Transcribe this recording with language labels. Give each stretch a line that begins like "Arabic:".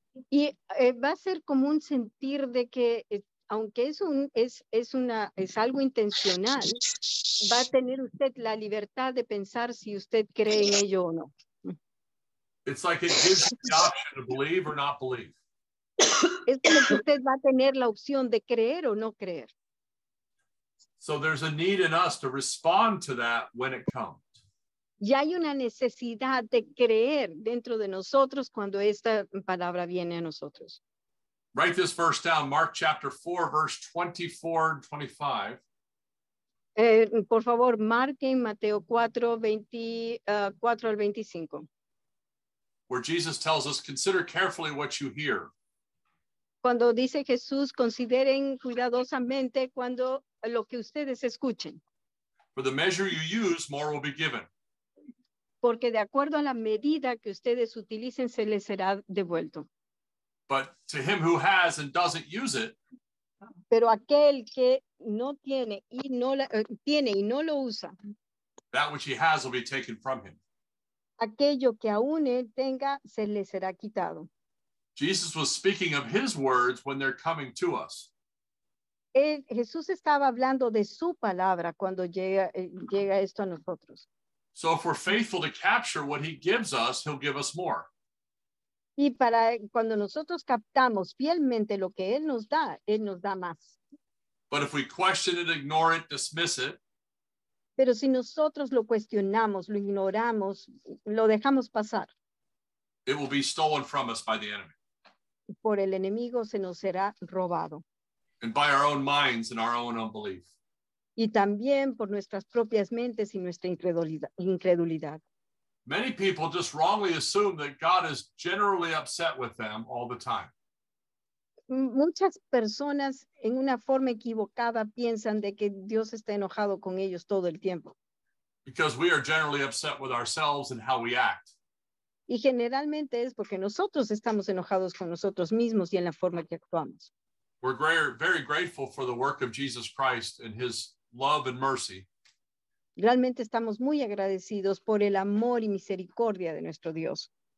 Spanish: Y va a ser como un sentir de que, aunque es algo intencional, va a tener usted la libertad de pensar si usted cree en ello o no.
English: It's like it gives you the option to believe or not believe.
Spanish: Es como que usted va a tener la opción de creer o no creer.
English: So there's a need in us to respond to that when it comes.
Spanish: Y hay una necesidad de creer dentro de nosotros cuando esta palabra viene a nosotros.
English: Write this verse down, Mark chapter 4, verse 24 and 25.
Spanish: Por favor, marquen Mateo 4, 24 al 25.
English: Where Jesus tells us, consider carefully what you hear.
Spanish: Cuando dice Jesús, consideren cuidadosamente cuando lo que ustedes escuchen.
English: For the measure you use, more will be given.
Spanish: Porque de acuerdo a la medida que ustedes utilicen, se les será devuelto.
English: But to him who has and doesn't use it,
Spanish: pero aquel que no tiene y no, tiene y no lo usa,
English: that which he has will be taken from him.
Spanish: Aquello que aún él tenga, se le será quitado.
English: Jesus was speaking of his words when they're coming to us.
Spanish: Jesús estaba hablando de su palabra cuando llega esto a nosotros.
English: So if we're faithful to capture what he gives us, he'll give us more.
Spanish: Y para cuando nosotros captamos fielmente lo que él nos da más.
English: But if we question it, ignore it, dismiss it.
Spanish: Pero si nosotros lo cuestionamos, lo ignoramos, lo dejamos pasar.
English: It will be stolen from us by the enemy.
Spanish: Por el enemigo se nos será robado.
English: And by our own minds and our own unbelief.
Spanish: Y también por nuestras propias mentes y nuestra incredulidad.
English: Many people just wrongly assume that God is generally upset with them all the time.
Spanish: Muchas personas en una forma equivocada piensan de que Dios está enojado con ellos todo el tiempo.
English: Because we are generally upset with ourselves and how we act.
Spanish: Y generalmente es porque nosotros estamos enojados con nosotros mismos y en la forma que actuamos.
English: We're very grateful for the work of Jesus Christ and his love and mercy.
Spanish: Realmente estamos muy agradecidos por el amor y misericordia de nuestro Dios.